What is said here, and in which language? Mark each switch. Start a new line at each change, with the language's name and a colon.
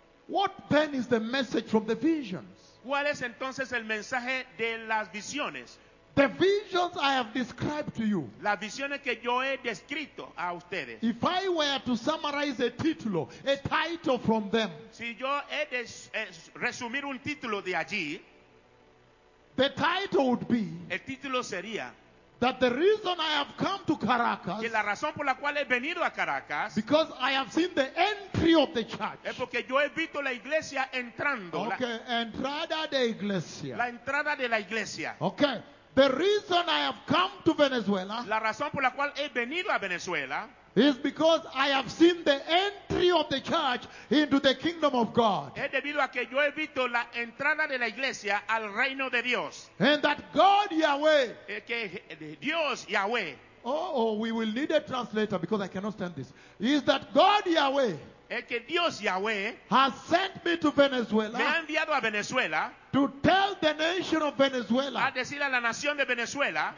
English: What then is the message from the visions?
Spanish: ¿Cuál es entonces el mensaje de las visiones?
English: The visions I have described to you.
Spanish: Las visiones que yo he descrito a ustedes.
English: If I were to summarize a title from them.
Spanish: Si yo he de resumir un título de allí.
English: The title would be.
Spanish: El título sería.
English: That the reason I have come to Caracas.
Spanish: Que la razón por la cual he venido a Caracas.
English: Because I have seen the entry of the church.
Spanish: Es porque yo he visto la iglesia entrando. Okay, entrada de iglesia. La entrada de la iglesia.
English: Okay. The reason I have come to Venezuela.
Spanish: La razón por la cual he venido a Venezuela.
English: Is because I have seen the entry of the church into the kingdom of God.
Spanish: Es debido a que yo he visto la entrada de la iglesia al reino de Dios.
English: And that God Yahweh.
Spanish: Que Dios Yahweh.
English: Oh, we will need a translator because I cannot stand this. Is that God Yahweh.
Spanish: Es que Dios Yahweh
English: has sent me to Venezuela.
Spanish: Me ha enviado a Venezuela.
English: To tell the nation of Venezuela.
Spanish: A decirle a la nación de Venezuela.